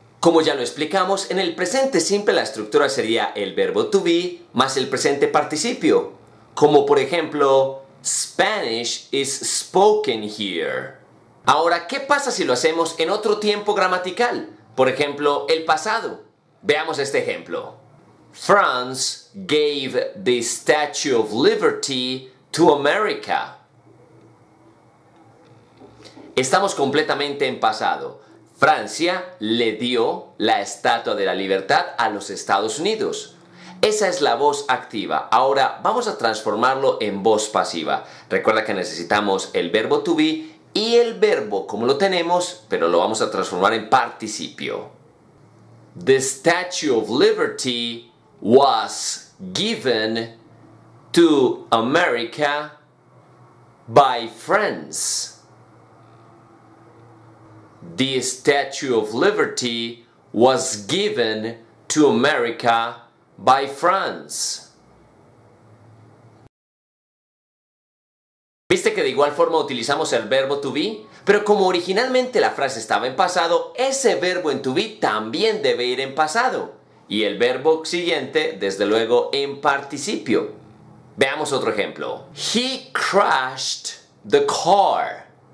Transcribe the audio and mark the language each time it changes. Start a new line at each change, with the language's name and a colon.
Spanish: Como ya lo explicamos, en el presente simple la estructura sería el verbo to be más el presente participio. Como por ejemplo,
English: Spanish is spoken here.
Spanish: Ahora, ¿qué pasa si lo hacemos en otro tiempo gramatical? Por ejemplo, el pasado. Veamos este ejemplo.
English: France gave the Statue of Liberty to America.
Spanish: Estamos completamente en pasado. Francia le dio la Estatua de la Libertad a los Estados Unidos. Esa es la voz activa. Ahora vamos a transformarlo en voz pasiva. Recuerda que necesitamos el verbo to be. Y el verbo, como lo tenemos, pero lo vamos a transformar en participio.
English: The Statue of Liberty was given to America by France. The Statue of Liberty was given to America by France.
Spanish: ¿Viste que de igual forma utilizamos el verbo to be? Pero como originalmente la frase estaba en pasado, ese verbo en to be también debe ir en pasado. Y el verbo siguiente, desde luego, en participio. Veamos otro ejemplo.
English: He crashed the car.